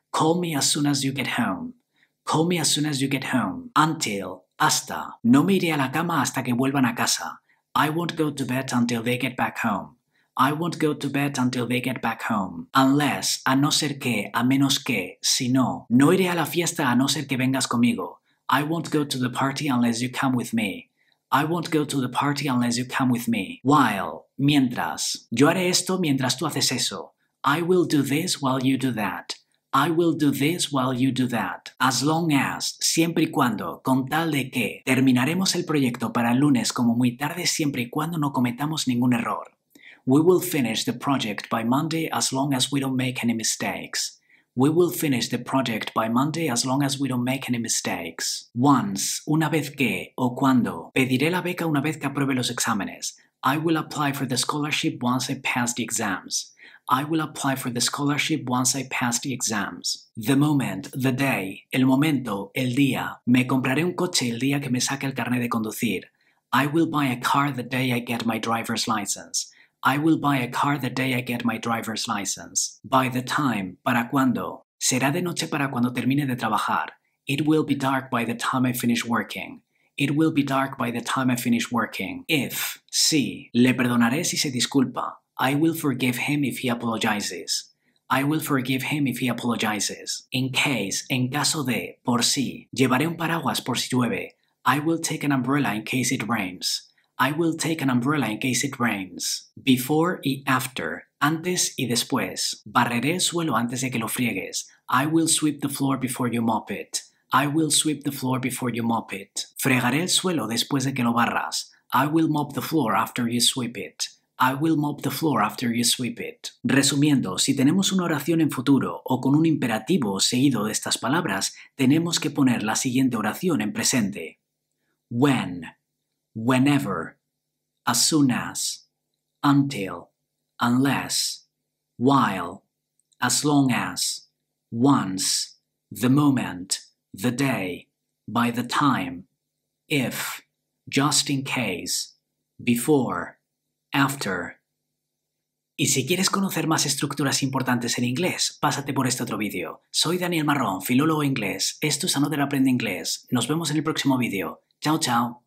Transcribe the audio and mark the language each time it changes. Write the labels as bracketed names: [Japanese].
[English] Call me as soon as you get home. Call me as soon as you get home. Until, [Spanish] hasta. No me iré a la cama hasta que vuelvan a casa. [English] I won't go to bed until they get back home. I won't go to bed until they get back home. Unless, [Spanish] a no ser que, a menos que, si no. No iré a la fiesta a no ser que vengas conmigo. [English] I won't go to the party unless you come with me. I won't go to the party unless you come with me. While, [Spanish] mientras. Yo haré esto mientras tú haces eso. [English] I will do this while you do that. I will do this while you do that. As long as, [Spanish] siempre y cuando, con tal de que. Terminaremos el proyecto para el lunes como muy tarde siempre y cuando no cometamos ningún error. [English] We will finish the project by Monday as long as we don't make any mistakes. We will finish the project by Monday as long as we don't make any mistakes. Once, [Spanish] una vez que, o cuando. Pediré la beca una vez que apruebe los exámenes. [English] I will apply for the scholarship once I pass the exams. I will apply for the scholarship once I pass the exams. The moment, the day, [Spanish] el momento, el día. Me compraré un coche el día que me saque el carnet de conducir. [English] I will buy a car the day I get my driver's license. I will buy a car the day I get my driver's license. By the time, [Spanish] para cuando. Será de noche para cuando termine de trabajar. [English] It will be dark by the time I finish working. It will be dark by the time I finish working. If, [Spanish] si. Le perdonaré si se disculpa. [English] I will forgive him if he apologizes. I will forgive him if he apologizes. In case, [Spanish] en caso de, por si. Llevaré un paraguas por si llueve. [English] I will take an umbrella in case it rains. I will take an umbrella in case it rains. Before y after. [Spanish] Antes y después. Barreré el suelo antes de que lo friegues. [English] I will sweep the floor before you mop it. I will sweep the floor before you mop it. [Spanish] Fregaré el suelo después de que lo barras. [English] I will mop the floor after you sweep it. I will mop the floor after you sweep it. [Spanish] Resumiendo, si tenemos una oración en futuro o con un imperativo seguido de estas palabras, tenemos que poner la siguiente oración en presente. [English] When. Whenever, as soon as, until, unless, while, as long as, once, the moment, the day, by the time, if, just in case, before, after. [Spanish] Y si quieres conocer más estructuras importantes en inglés, pásate por este otro vídeo. Soy Daniel Marrón, filólogo inglés. Esto es Aprende, Aprende inglés. Nos vemos en el próximo vídeo. Chao, chao.